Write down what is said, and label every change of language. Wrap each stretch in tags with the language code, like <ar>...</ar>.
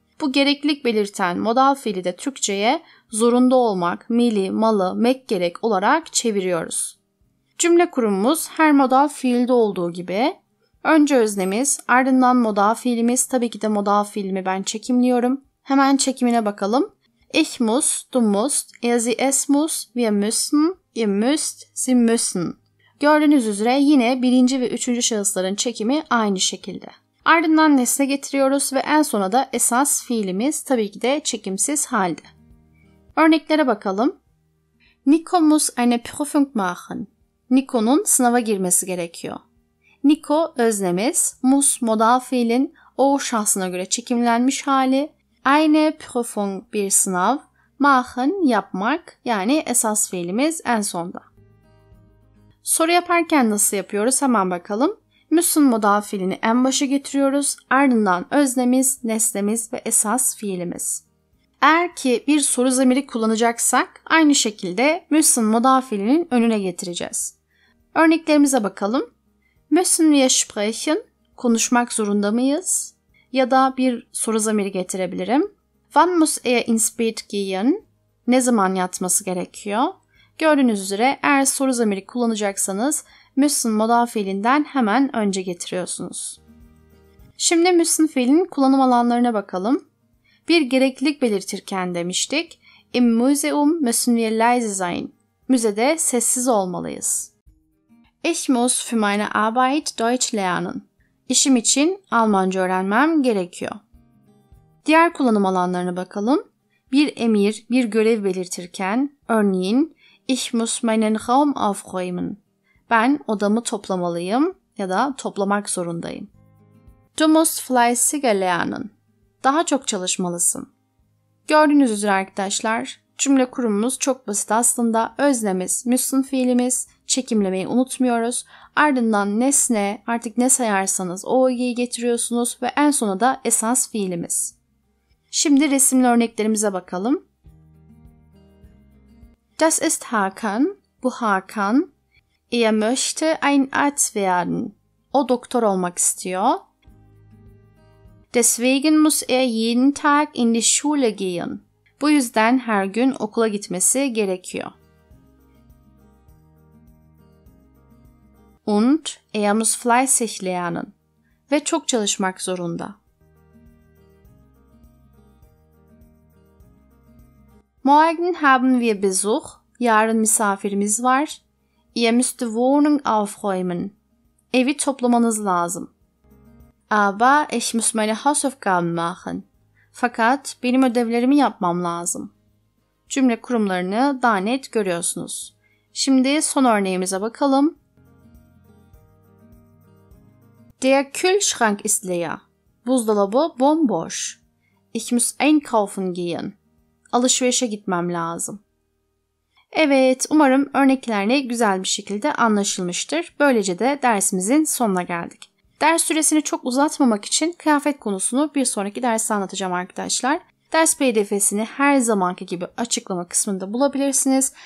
<tr>Bu gereklilik belirten modal fiili de Türkçe'ye zorunda olmak, mili, malı, mek gerek olarak çeviriyoruz. Cümle kurumumuz her modal fiilde olduğu gibi. Önce öznemiz, ardından modal fiilimiz, tabii ki de modal fiilimi ben çekimliyorum. Hemen çekimine bakalım.</tr> <de>Ich muss, du musst, er, sie, es muss, wir müssen, ihr müsst, sie müssen.</de> <tr>Gördüğünüz üzere yine birinci ve üçüncü şahısların çekimi aynı şekilde. Ardından nesne getiriyoruz ve en sona da esas fiilimiz tabii ki de çekimsiz halde. Örneklere bakalım.</tr> <de>Nico muss eine Prüfung machen.</de> <tr>Nico'nun sınava girmesi gerekiyor. Nico öznemiz, muss modal fiilin o şahsına göre çekimlenmiş hali. Eine Prüfung bir sınav, machen yapmak yani esas fiilimiz en sonda. Soru yaparken nasıl yapıyoruz hemen bakalım. Müssen modal fiilini en başa getiriyoruz. Ardından öznemiz, nesnemiz ve esas fiilimiz. Eğer ki bir soru zamiri kullanacaksak aynı şekilde müssen modal fiilinin önüne getireceğiz. Örneklerimize bakalım.</tr> <de>Müssen wir sprechen?</de> <tr>Konuşmak zorunda mıyız? Ya da bir soru zamiri getirebilirim.</tr> <de>Wann muss er ins Bett gehen?</de> <tr>Ne zaman yatması gerekiyor? Gördüğünüz üzere eğer soru zamiri kullanacaksanız müssen modal fiilinden hemen önce getiriyorsunuz. Şimdi müssen fiilinin kullanım alanlarına bakalım. Bir gereklilik belirtirken demiştik.</tr> <de>Im Museum müssen wir leise sein.</de> <tr>Müzede sessiz olmalıyız.</tr> <de>Ich muss für meine Arbeit Deutsch lernen.</de> <tr>İşim için Almanca öğrenmem gerekiyor. Diğer kullanım alanlarına bakalım. Bir emir, bir görev belirtirken, örneğin</tr> <de>Ich muss meinen Raum aufräumen.</de> <tr>Ben odamı toplamalıyım ya da toplamak zorundayım.</tr> <de>Du musst fleißiger lernen.</de> <tr>daha çok çalışmalısın. Gördüğünüz üzere arkadaşlar, cümle kurumumuz çok basit aslında. Öznemiz, müssün fiilimiz, çekimlemeyi unutmuyoruz. Ardından nesne, artık ne sayarsanız o öğeyi getiriyorsunuz ve en sona da esans fiilimiz. Şimdi resimli örneklerimize bakalım.</tr> <de>Das ist Hakan.</de> <tr>Bu Hakan.</tr> <de>Er möchte ein Arzt werden.</de> <tr>O doktor olmak istiyor.</tr> <de>Deswegen muss er jeden Tag in die Schule gehen.</de> <tr>Bu yüzden her gün okula gitmesi gerekiyor.</tr> <de>Und er muss fleißig lernen.</de> <tr>Ve çok çalışmak zorunda.</tr> <de>Morgen haben wir Besuch.</de> <tr>Yarın misafirimiz var.</tr> <de>Ihr müsst die Wohnung aufräumen.</de> <tr>Evi toplamanız lazım.</tr> <de>Aber ich muss meine Hausaufgaben machen.</de> <tr>Fakat benim ödevlerimi yapmam lazım. Cümle kurumlarını daha net görüyorsunuz. Şimdi son örneğimize bakalım.</tr> <de>Der Kühlschrank ist leer.</de> <tr>Buzdolabı bomboş.</tr> <de>Ich muss einkaufen gehen.</de> <tr>Alışverişe gitmem lazım. Evet, umarım örneklerle güzel bir şekilde anlaşılmıştır. Böylece de dersimizin sonuna geldik. Ders süresini çok uzatmamak için kıyafet konusunu bir sonraki derste anlatacağım arkadaşlar. Ders PDF'sini her zamanki gibi açıklama kısmında bulabilirsiniz.</tr>